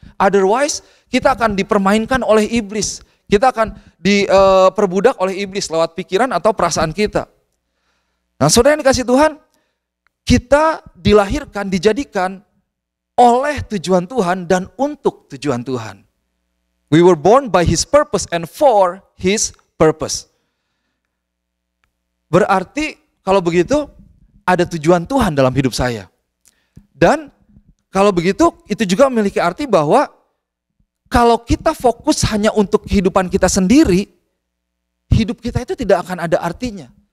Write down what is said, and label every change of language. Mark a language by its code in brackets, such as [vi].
[en] Otherwise, [id] kita akan dipermainkan oleh iblis. Kita akan diperbudak oleh iblis lewat pikiran atau perasaan kita. Nah, saudara yang dikasih Tuhan, kita dilahirkan, dijadikan oleh tujuan Tuhan dan untuk tujuan Tuhan. [en] We were born by His purpose and for His purpose. [id] Berarti, kalau begitu, ada tujuan Tuhan dalam hidup saya. Dan kalau begitu, itu juga memiliki arti bahwa kalau kita fokus hanya untuk kehidupan kita sendiri, hidup kita itu tidak akan ada artinya.